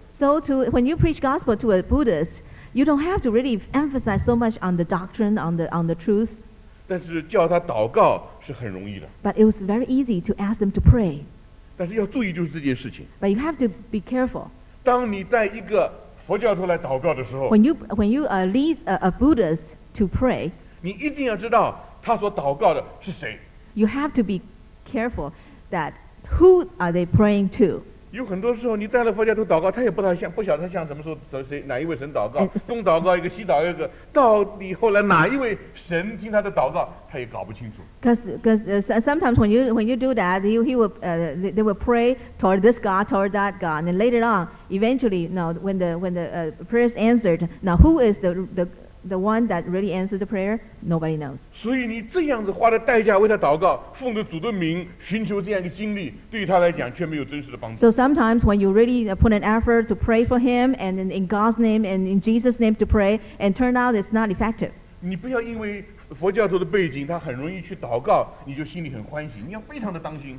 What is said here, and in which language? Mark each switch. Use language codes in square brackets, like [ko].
[en] So when you preach gospel to a Buddhist, you don't have to really emphasize so much on the doctrine, on the truth. [zh] 但是叫他祷告是很容易的。 [en] But it was very easy to ask them to pray. [zh] 但是要注意就是这件事情。 [en] But you have to be careful. [zh] 当你带一个佛教徒来祷告的时候， [en] When you lead a Buddhist to pray, [zh] 你一定要知道他所祷告的是谁。 [en] You have to be careful that who are they praying to. [zh] 有很多时候你带了佛教徒祷告，他也不晓得他向什么时候谁哪一位神祷告，东祷告一个西祷告一个，到底后来哪一位神听他的祷告他也搞不清楚。 [en] Because sometimes when you do that, they will pray toward this God, toward that God, and then later on, eventually, now when the prayer is answered, now who is the one that really answered the prayer? Nobody knows. [zh] 所以你这样子花的代价为他祷告，奉着主的名寻求这样一个经历，对于他来讲却没有真实的帮助。 [en] So sometimes when you really put an effort to pray for him and in God's name and in Jesus' name to pray, and turn out it's not effective. [zh] 你不要因为佛教徒的背景，他很容易去祷告，你就心里很欢喜，你要非常的当心。